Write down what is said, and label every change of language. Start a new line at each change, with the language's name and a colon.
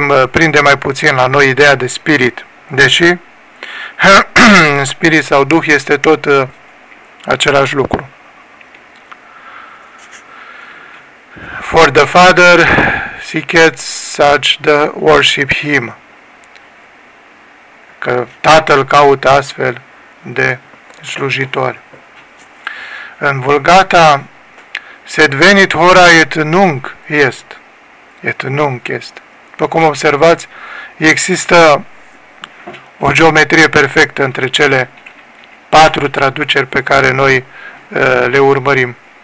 Romanian: prinde mai puțin la noi ideea de spirit, deși spirit sau duh este tot același lucru.
English: "For the Father seeketh such to worship him."
Romanian: Că Tatăl caută astfel de slujitori.
Latin: În Vulgata, "sed venit hora et nunc est." Et nunc est.
Romanian: După cum observați, există o geometrie perfectă între cele patru traduceri pe care noi le urmărim.